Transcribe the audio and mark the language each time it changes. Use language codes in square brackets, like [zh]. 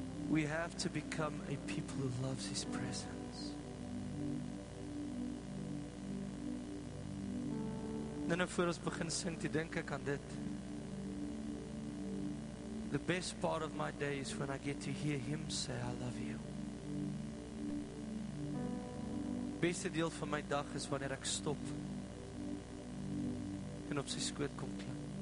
[en] We have to become a people who loves His presence. [af] Nou voor ons begin sing, toe dink ek aan dit. [en] The best part of my day is when I get to hear Him say, I love you. [af] Beste deel van my dag is wanneer ek stop en op sy skoot kom klim.